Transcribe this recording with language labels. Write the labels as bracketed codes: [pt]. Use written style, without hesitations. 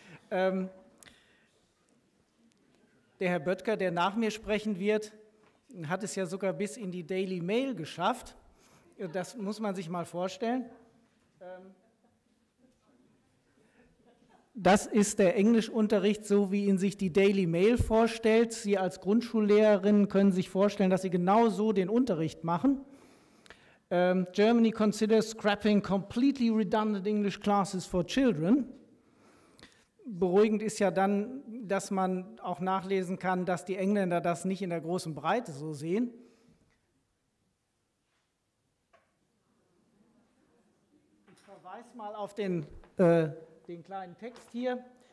[de] Der Herr Böttger, der nach mir sprechen wird, hat es ja sogar bis in die Daily Mail geschafft. Das muss man sich mal vorstellen. Das ist der Englischunterricht, so wie ihn sich die Daily Mail vorstellt. Sie als Grundschullehrerin können sich vorstellen, dass Sie genau so den Unterricht machen. [en] Germany considers scrapping completely redundant English classes for children. [de] Beruhigend ist ja dann, dass man auch nachlesen kann, dass die Engländer das nicht in der großen Breite so sehen. Ich verweise mal auf den kleinen Text hier.